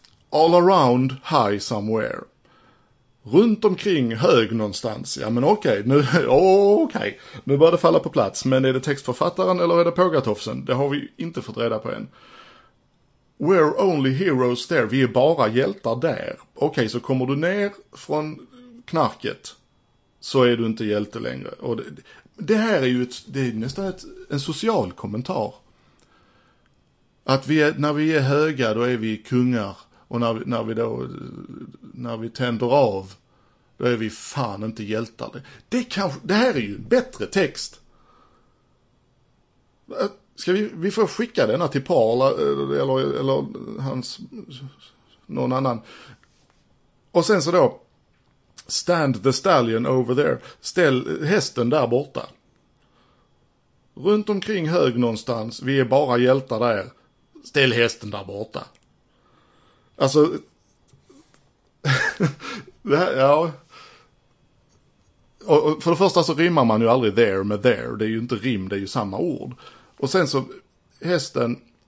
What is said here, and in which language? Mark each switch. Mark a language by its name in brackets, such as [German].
[English] All around high somewhere. [Swedish] Runt omkring hög någonstans. Ja, men okej. Okay, nu börjar det falla på plats. Men är det textförfattaren eller är det Pogatoffsen? Det har vi inte fått reda på än. [English] We're only heroes there. [Swedish] Vi är bara hjältar där. Okej, okay, så kommer du ner från knarket så är du inte hjälte längre. Och det här är ju en social kommentar. Att när vi är höga, då är vi kungar. Och när vi tänder av, då är vi fan inte hjältar. Det här är ju en bättre text. Ska vi får skicka denna till Paul eller hans någon annan. Och sen så då. [English] Stand the stallion over there. [Swedish] Ställ hästen där borta. Runt omkring hög någonstans. Vi är bara hjältar där. Ställ hästen där borta. Alltså. Det här, ja. Och för det första så rimmar man ju aldrig there med there. Det är ju inte rim, det är ju samma ord. Och sen så. Hästen.